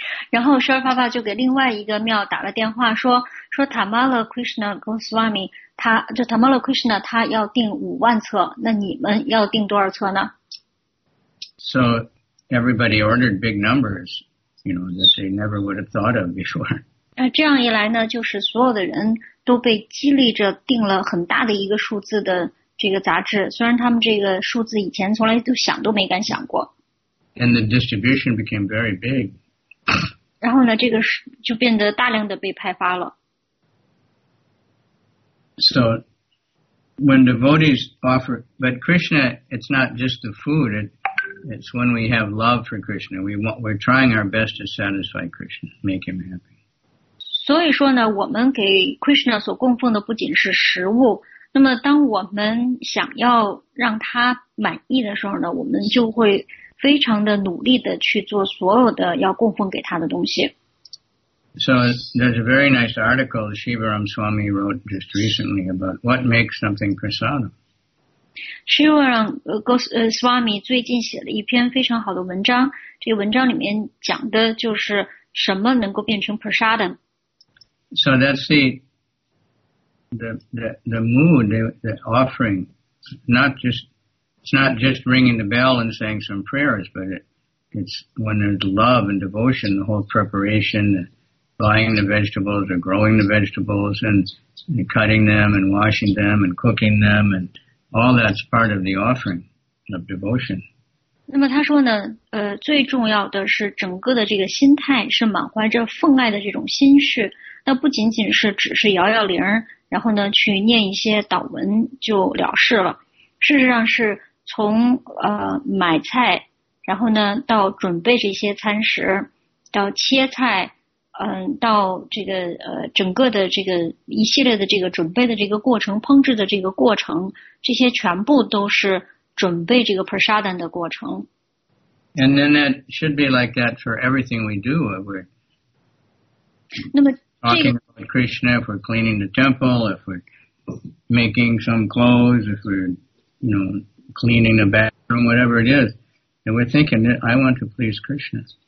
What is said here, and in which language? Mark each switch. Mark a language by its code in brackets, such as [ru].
[zh] 然后舒尔帕帕就给另外一个庙打了电话说 Tamala Krishna Goswami, 就 Tamala Krishna 他要订五万册，那你们要订多少册呢？ [en] So everybody ordered big numbers, you know, that they never would have thought of before. [zh] 这样一来呢，就是所有的人都被激励着订了很大的一个数字的。这个杂志虽然他们这个数字以前从来都想都没敢想过 [en] and the distribution became very big [zh] 然后呢这个就变得大量的被派发了 [en] so when devotees offer but Krishna it's not just the food it, It's when we have love for Krishna. We're trying our best to satisfy Krishna, make him happy. [zh] 所以说呢，我们给 Krishna 所供奉的不仅是食物。那么当我们想要让他满意的时候呢，我们就会非常的努力的去做所有的要供奉给他的东西。 [en] So there's a very nice article Shivaram Swami wrote just recently about what makes something prasadam. [zh] Shivaram Swami 最近写了一篇非常好的文章，这个文章里面讲的就是什么能够变成 prasadam。 [en] So that's the mood, the offering, it's not just ringing the bell and saying some prayers, but it's when there's love and devotion, the whole preparation, buying the vegetables or growing the vegetables and cutting them and washing them and cooking them, and all that's part of the offering of devotion. [zh] 那么他说呢，最重要的是整个的这个心态是满怀着奉爱的这种心绪，那不仅仅是只是摇摇铃然后呢去念一些祷文就了事了，事实上是从买菜，然后呢到准备这些餐食，到切菜，到这个整个的这个一系列的这个准备的这个过程，烹制的这个过程，这些全部都是准备这个 prasadam 的过程。 [en] And then that should be like that for everything we do. Talking about Krishna, if we're cleaning the temple, if we're making some clothes, if we're, you know, cleaning the bathroom, whatever it is, and we're thinking, I want to please Krishna.